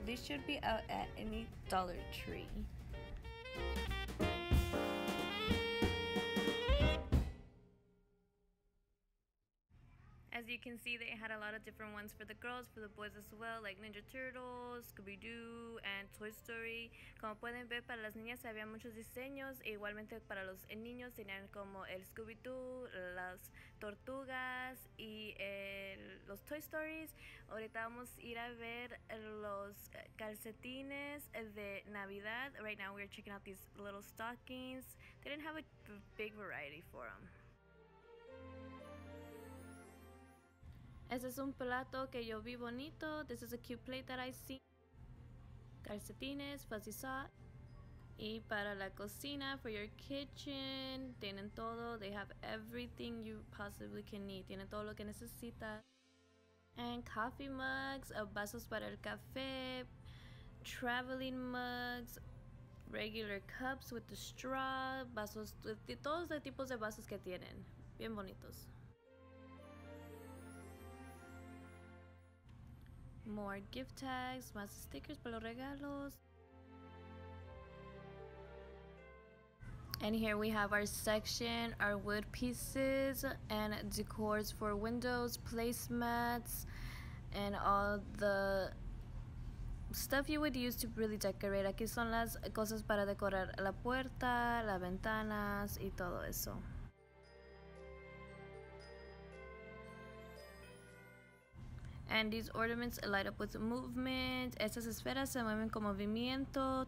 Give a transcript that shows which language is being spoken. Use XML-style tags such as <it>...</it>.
<en>They should be out at any Dollar Tree. As you can see, they had a lot of different ones for the girls, for the boys as well, like Ninja Turtles, Scooby-Doo, and Toy Story.</en> <es>Como pueden ver, para las niñas había muchos diseños, e igualmente para los niños tenían como el Scooby-Doo, las tortugas, y los Toy Stories. Ahorita vamos a ir a ver los calcetines de Navidad.</es> <en>Right now we're checking out these little stockings. They didn't have a big variety for them.</en> <es>Ese es un plato que yo vi bonito.</es> <en>This is a cute plate that I see.</en> <es>Calcetines,</es> <en>fuzzy sock.</en> <es>Y para la cocina,</es> <en>for your kitchen,</en> <es>tienen todo.</es> <en>They have everything you possibly can need.</en> <es>Tienen todo lo que necesita.</es> <en>And coffee mugs,</en> <es>vasos para el café,</es> <en>traveling mugs, regular cups with the straw,</en> <es>vasos, todos los tipos de vasos que tienen. Bien bonitos.</es> <en>More gift tags,</en> <es>más stickers para los regalos.</es> <en>And here we have our section, our wood pieces and decors for windows, placemats, and all the stuff you would use to really decorate.</en> <es>Aquí son las cosas para decorar la puerta, las ventanas y todo eso.</es> <en>And these ornaments light up with movement.</en> <es>Estas esferas se mueven con movimiento.</es>